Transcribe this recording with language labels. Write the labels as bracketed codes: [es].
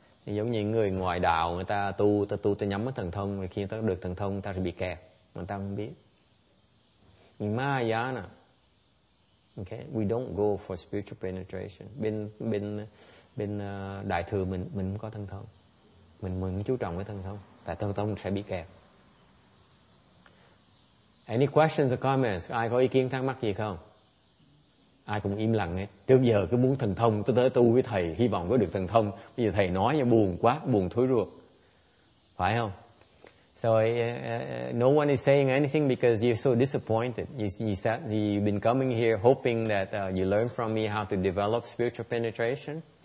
[vi] Giống như người ngoại đạo, người ta tu, ta nhắm cái thần thông, mà khi ta được thần thông, ta sẽ bị kẹt, mà ta không biết. [en] In Mahayana, okay, we don't go for spiritual penetration. [vi] Bên đại thừa mình không có thần thông, mình chú trọng cái thần thông, tại thần thông sẽ bị kẹt. [en] Any questions or comments? [vi] Ai có ý kiến thắc mắc gì không? Ai cũng im lặng hết. Trước giờ cứ muốn thần thông, tôi tới tu với thầy, hy vọng có được thần thông. Bây giờ thầy nói cho buồn quá, buồn thối ruột. Phải không? [en] So no one is saying anything because you're so disappointed. You've been coming here hoping that you learn from me how to develop spiritual penetration.